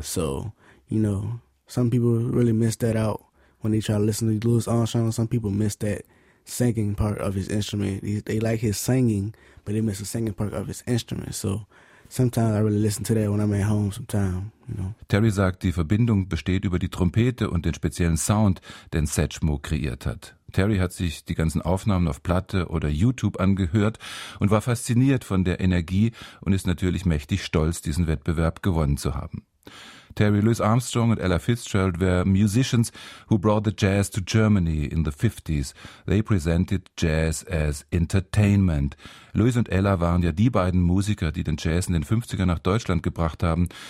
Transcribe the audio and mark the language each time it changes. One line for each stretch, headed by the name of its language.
English: So, you know, some people really miss that out when they try to listen to Louis Armstrong. Some people miss that singing part of his instrument. They like his singing, but they miss the singing part of his instrument. So, sometimes I really listen to that when I'm at home sometime, you know.
German: Terry sagt, die Verbindung besteht über die Trompete und den speziellen Sound, den Satchmo kreiert hat. Terry hat sich die ganzen Aufnahmen auf Platte oder YouTube angehört und war fasziniert von der Energie und ist natürlich mächtig stolz, diesen Wettbewerb gewonnen zu haben.
English: Terry, Louis Armstrong and Ella Fitzgerald were musicians who brought the jazz to Germany in the 50s. They presented jazz as entertainment.
German: Louis und Ella waren ja die beiden Musiker, die den Jazz in den 50er nach Deutschland gebracht haben.